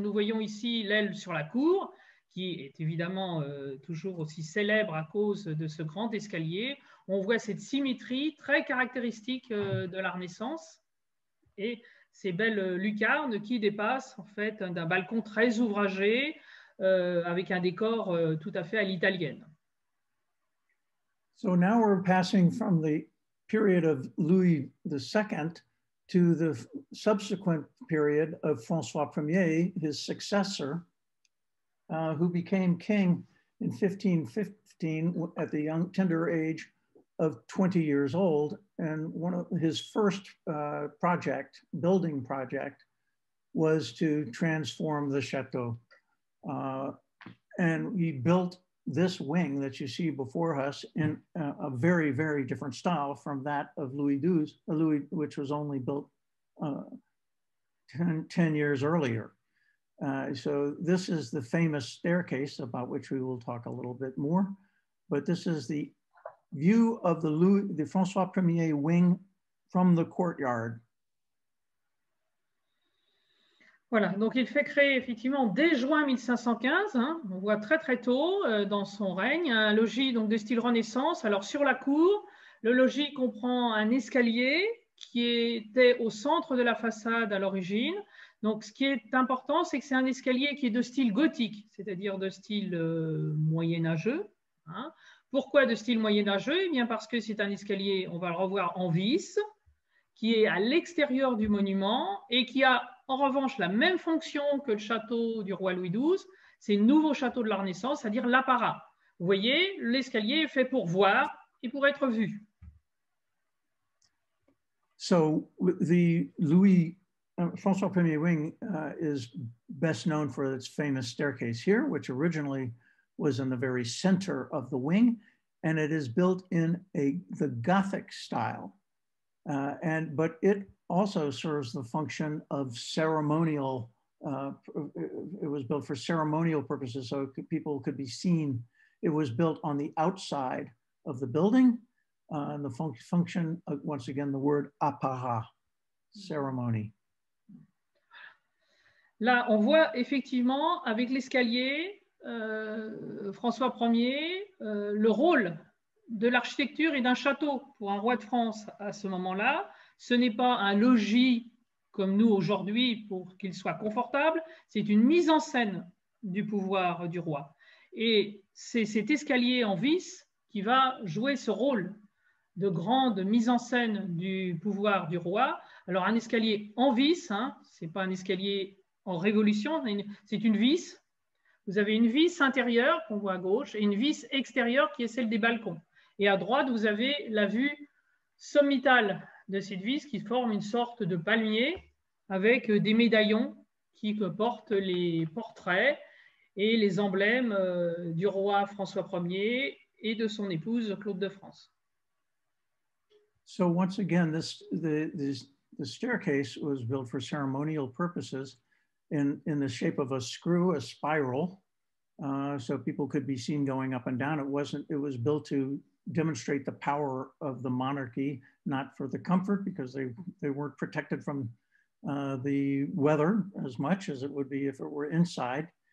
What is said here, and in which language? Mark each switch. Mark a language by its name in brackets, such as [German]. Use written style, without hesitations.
[French] Nous voyons ici l'aile sur la cour qui est évidemment toujours aussi célèbre à cause de ce grand escalier. On voit cette symétrie très caractéristique de la Renaissance et ces belles lucarnes qui dépassent en fait d'un balcon très ouvragé avec un décor tout à fait à l'italienne. [English] So now we're passing from the period of Louis II to the subsequent period of François Ier, his successor, who became king in 1515 at the young, tender age of 20 years old. And one of his first building project was to transform the chateau. And he built this wing that you see before us in a very, very different style from that of Louis XII, which was only built 10 years earlier. So this is the famous staircase about which we will talk a little bit more, but this is the view of the François Premier wing from the courtyard. [French] Voilà, donc il fait créer effectivement dès juin 1515, hein, on voit très très tôt dans son règne, un logis donc de style Renaissance. Alors sur la cour, le logis comprend un escalier qui était au centre de la façade à l'origine. Donc ce qui est important, c'est que c'est un escalier qui est de style gothique, c'est-à-dire de style moyenâgeux. Hein. Pourquoi de style moyenâgeux? Eh bien parce que c'est un escalier, on va le revoir en vis, qui est à l'extérieur du monument et qui a en revanche la même fonction que le château du roi Louis XII, c'est le nouveau château de la Renaissance, c'est-à-dire l'apparat. Vous voyez, l'escalier est fait pour voir et pour être vu. [English] So the Louis, François Ier wing is best known for its famous staircase here, which originally was in the very center of the wing, and it is built in the Gothic style. But it also serves the function of ceremonial, it was built for ceremonial purposes so people could be seen. It was built on the outside of the building, and the function, once again, the word apparat, ceremony. [French] Là, on voit effectivement avec l'escalier, François Ier, le rôle de l'architecture et d'un château pour un roi de France à ce moment-là. Ce n'est pas un logis comme nous aujourd'hui pour qu'il soit confortable, c'est une mise en scène du pouvoir du roi. Et c'est cet escalier en vis qui va jouer ce rôle de grande mise en scène du pouvoir du roi. Alors un escalier en vis, hein, ce n'est pas un escalier en révolution, c'est une vis. Vous avez une vis intérieure qu'on voit à gauche et une vis extérieure qui est celle des balcons. Et à droite, vous avez la vue sommitale de cette vis qui forme une sorte de palmier avec des médaillons qui portent les portraits et les emblèmes du roi François Ier et de son épouse Claude de France. [English] So once again, the staircase was built for ceremonial purposes in the shape of a screw, a spiral, so people could be seen going up and down. It was built to demonstrate the power of the monarchy, not for the comfort, because they weren't protected from the weather as much as it would be if it were inside.